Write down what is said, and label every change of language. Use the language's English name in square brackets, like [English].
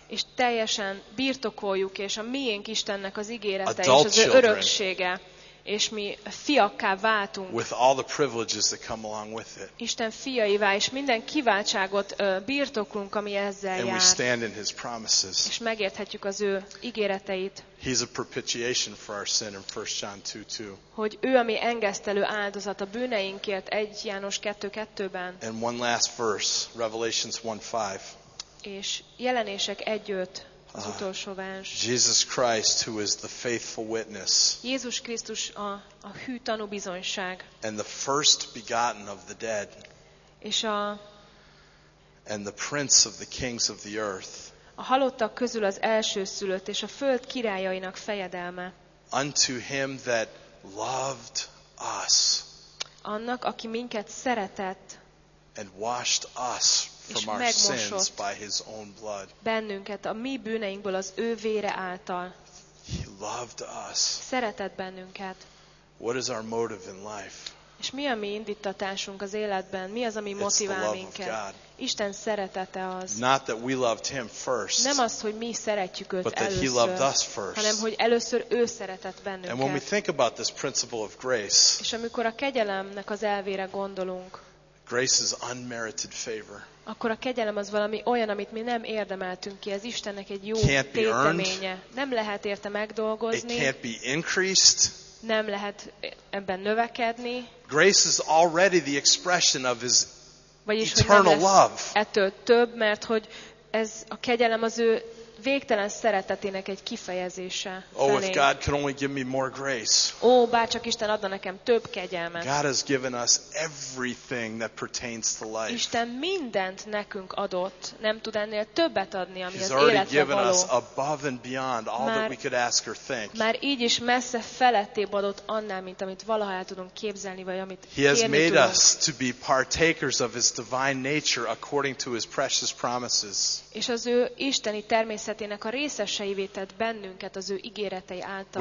[Hungarian] És teljesen birtokoljuk és a miénk Istennek az ígérete és az ő öröksége. És mi fiakká váltunk. [English] With all the privileges that come along with it. [Hungarian] Isten fiaivá és minden kiváltságot birtokunk, ami ezzel [English] and [Hungarian] jár. [English] And we stand in his promises. [Hungarian] És megérthetjük az ő ígéreteit. [English] He's a propitiation for our sin in 1 John 2:2. [Hungarian] Hogy ő a mi engesztelő áldozat a bűneinkért 1 János 2:2-ben. [English] And one last verse, Revelations 1:5. [Hungarian] És Jelenések 1:5. [English] Jesus Christ, who is the faithful witness. [Hungarian] Jézus Krisztus a hű tanú bizonyság. [English] And the first begotten of the dead. [Hungarian] És a [English] and the prince of the kings of the earth. [Hungarian] A halottak közül az első szülött és a föld királyainak fejedelme. [English] Unto him that loved us. [Hungarian] Annak, aki minket szeretett. [English] And washed us from our sins by his own blood. [Hungarian] Bennünket a mi bűneinkből az ő vére által. [English] He loved us. [Hungarian] Szeretett bennünket. [English] What is our motive in life? [Hungarian] És mi a mi indítatásunk az életben? Mi az, ami motivál minket? Isten szeretete az. [English] Not that we loved him first. [Hungarian] Nem az, hogy mi szeretjük őt [English] but [Hungarian] először. [English] But that he loved us first. [Hungarian] Hanem hogy először ő szeretett bennünket. [English] And when we think about this principle of grace. [Hungarian] És amikor a kegyelemnek az elvére gondolunk. [English] Grace is unmerited favor. [Hungarian] Akkor a kegyelem az valami olyan, amit mi nem érdemeltünk ki. Ez Istennek egy jó tételménye. Nem lehet érte megdolgozni. [English] It can't be increased. [Hungarian] Nem lehet ebben növekedni. [English] Grace is already the expression of his eternal love. [Hungarian] Ettől több, mert hogy ez a kegyelem az ő végtelen szeretetének egy kifejezése. [English] Oh, if God could only give me more grace. [Hungarian] Ó, bárcsak Isten adna nekem több kegyelmet. [English] God has given us everything that pertains to life. [Hungarian] Isten mindent nekünk adott, nem tud ennél többet adni, ami [English] He's [Hungarian] az életre való. [English] Given us above and beyond all már, that we could ask or think. [Hungarian] Már így is messze felettébb adott annál, mint amit valaha el tudunk képzelni, vagy amit [English] He has made us to be partakers of his divine nature according to his precious promises. [Hungarian] És az ő isteni természetének a részeseivé tett bennünket az ő ígéretei által.